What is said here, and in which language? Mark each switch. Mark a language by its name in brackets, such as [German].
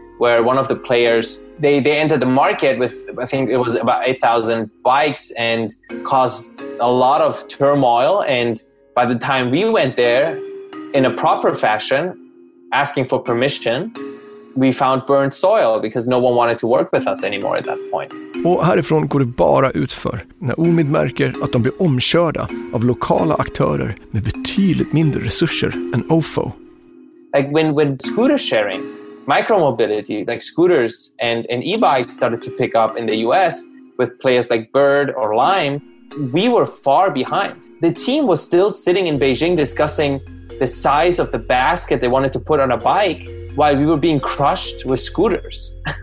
[English] where one of the players, they entered the market with, I think it was about 8,000 bikes and caused a lot of turmoil. And by the time we went there in a proper fashion, asking for permission, we found burnt soil because no one wanted to work with us anymore at that point. [Swedish] Och härifrån går det bara utför när Omid märker att de blir omkörda av lokala aktörer med betydligt mindre resurser än OFO. [English] Like when scooter sharing, micromobility, like scooters and e-bikes started to pick up in the US with players like Bird or Lime, we were far behind. The team was still sitting in Beijing discussing the size of the basket they wanted to put on a bike while we were being crushed with scooters.